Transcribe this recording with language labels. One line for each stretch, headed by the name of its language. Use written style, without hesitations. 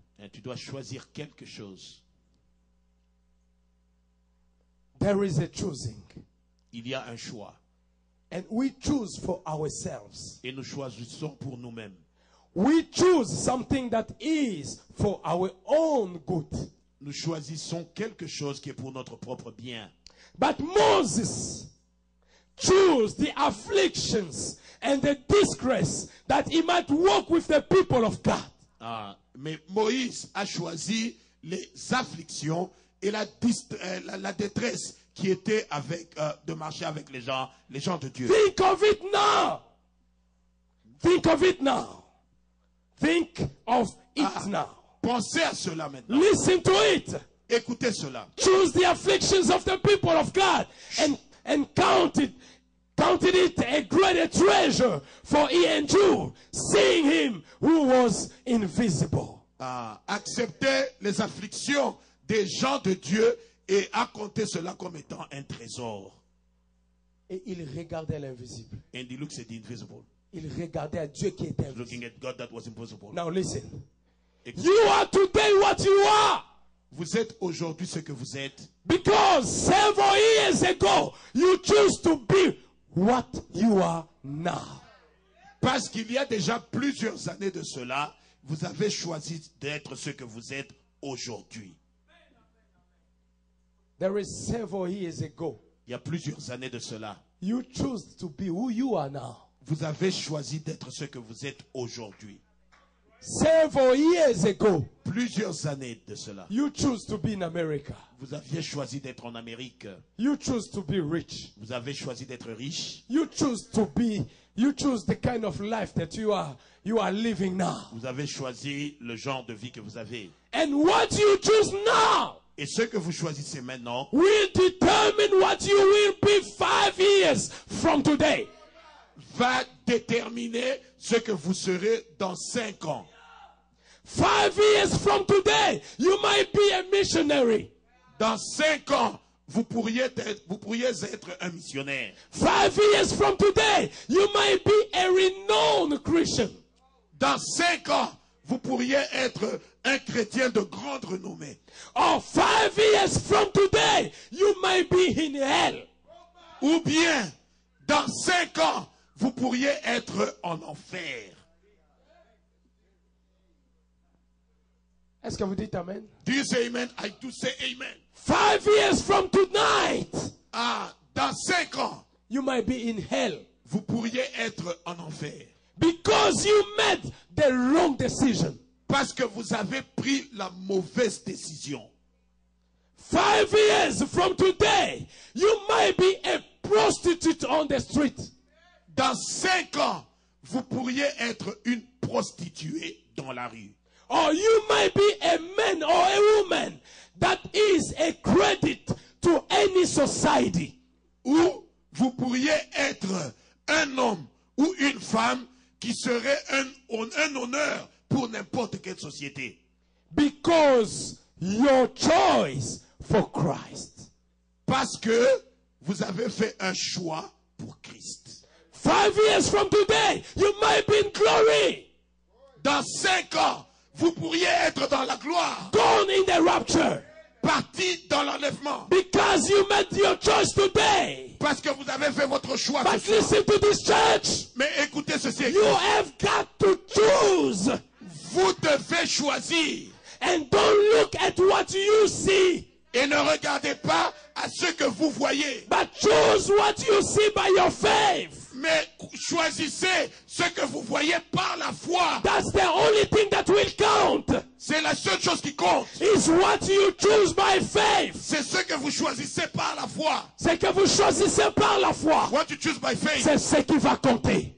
French: Et tu dois choisir quelque chose.
English: There is a choosing.
French: Il y a un choix.
English: And we choose for ourselves.
French: Et nous choisissons pour nous-mêmes.
English: We choose something that is for our own good.
French: Nous choisissons quelque chose qui est pour notre propre bien.
English: But Moses chose the afflictions and the disgrace that he might walk with the people of God.
French: Mais Moïse a choisi les afflictions et la détresse qui était avec de marcher avec les gens de Dieu.
English: Think of it now. Think of it now. Think of it now.
French: Pensez à cela maintenant.
English: Listen to it.
French: Écoutez cela.
English: Choose the afflictions of the people of God and counted it a greater treasure for he endured, seeing him who was invisible.
French: Acceptez les afflictions des gens de Dieu et a compté cela comme étant un trésor. Et il regardait l'invisible.
English: And he looked at the invisible.
French: Il regardait à Dieu qui était invisible.
English: Looking at God that was invisible. Now listen. You are today what you are.
French: Vous êtes aujourd'hui ce que vous êtes.
English: Because several years ago, you chose to be what you are now.
French: Parce qu'il y a déjà plusieurs années de cela, vous avez choisi d'être ce que vous êtes aujourd'hui.
English: There is several years ago.
French: Il y a plusieurs années de cela.
English: You choose to be who you are now.
French: Vous avez choisi d'être ce que vous êtes aujourd'hui.
English: Several years ago.
French: Plusieurs années de cela.
English: You choose to be in America.
French: Vous aviez choisi d'être en Amérique.
English: You choose to be rich.
French: Vous avez choisi d'être riche.
English: You choose to be. You choose the kind of life that you are living now.
French: Vous avez choisi le genre de vie que vous avez.
English: And what you choose now.
French: Et ce que vous choisissez maintenant
English: will determine what you will be 5 years from today.
French: Va déterminer ce que vous serez dans 5 ans.
English: 5 years from today, you might be a missionary.
French: Dans 5 ans, vous pourriez être un missionnaire.
English: 5 years from today, you might be a renowned Christian.
French: Dans 5 ans, vous pourriez être un chrétien de grande renommée.
English: Or 5 years from today, you might be in hell.
French: Ou bien, dans 5 ans, vous pourriez être en enfer. Est-ce que vous dites amen?
English: Do you say amen? I do say amen. 5 years from tonight.
French: Ah, dans 5 ans.
English: You might be in hell.
French: Vous pourriez être en enfer.
English: Because you made the wrong decision.
French: Parce que vous avez pris la mauvaise décision.
English: 5 years from today, you might be a prostitute on the street.
French: Dans 5 ans, vous pourriez être une prostituée dans la rue.
English: Or you might be a man or a woman that is a credit to any society.
French: Ou vous pourriez être un homme ou une femme qui serait un honneur pour n'importe quelle société.
English: Because your choice for Christ.
French: Parce que vous avez fait un choix pour Christ.
English: 5 years from today, you might be in glory.
French: Dans 5 ans, vous pourriez être dans la gloire.
English: Gone in the rapture.
French: Parti dans l'enlèvement.
English: Because you made your choice today.
French: Parce que vous avez fait votre choix.
English: But
French: ce
English: listen
French: soir.
English: To this church.
French: Mais écoutez ceci.
English: You have got to choose.
French: Vous devez choisir.
English: And don't look at what you see.
French: Et ne regardez pas à ce que vous voyez.
English: But choose what you see by your faith.
French: Mais choisissez ce que vous voyez par la foi.
English: That's the only thing that will count.
French: C'est la seule chose qui compte.
English: Is what you choose by faith.
French: C'est ce que vous choisissez par la foi. C'est que vous choisissez par la foi.
English: What you choose by faith.
French: C'est ce qui va compter.